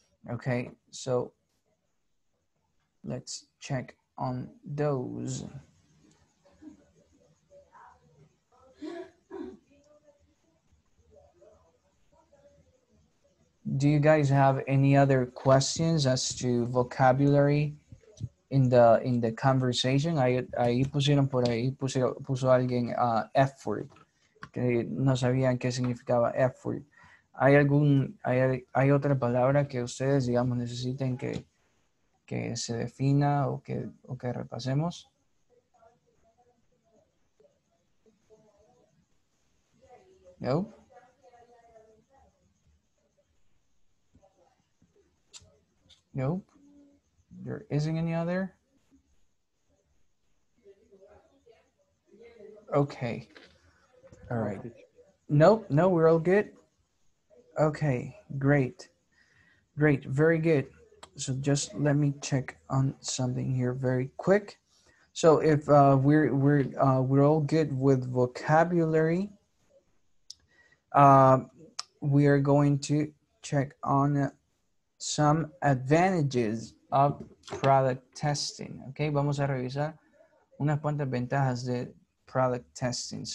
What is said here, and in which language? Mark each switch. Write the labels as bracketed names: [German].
[English] Okay, so let's check on those. Do you guys have any other questions as to vocabulary in the conversation. [Spanish] Ahí pusieron por ahí, puso alguien effort, que no sabían qué significaba effort. ¿Hay otra palabra que ustedes, digamos, necesiten que se defina o que repasemos? No. [English] Nope. There isn't any other. Okay. All right. Nope. No, we're all good. Okay. Great. Great. Very good. So just let me check on something here very quick. So if we're all good with vocabulary, we are going to check on some advantages of product testing. [Spanish] Okay, vamos a revisar unas cuantas ventajas de product testing.